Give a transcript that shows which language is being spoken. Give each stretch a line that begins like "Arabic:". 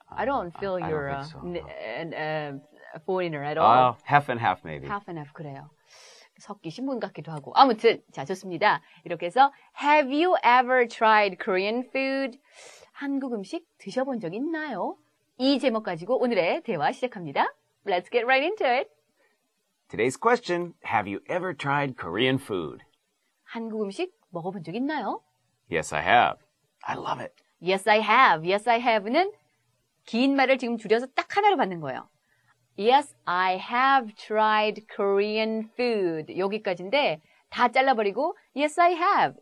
English: I don't feel you're a foreigner at all. Half and half maybe. Half and half
Korean: 그래요. 섞이신 분 같기도 하고 아무튼 자 좋습니다. 이렇게 해서
English: Have you ever tried Korean food?
Korean: 한국 음식 드셔본 적 있나요? 이 제목 가지고 오늘의 대화 시작합니다.
English: Let's get right into it. Today's question, have you ever tried Korean food?
Korean: 한국 음식 먹어본 적 있나요?
English: Yes, I have. I love it. Yes, I have. Yes, I have
Korean: 는 긴 말을 지금 줄여서 딱 하나로 받는 거예요.
English: Yes, I have tried Korean food.
Korean: 여기까지인데 다 잘라버리고
English: Yes, I have.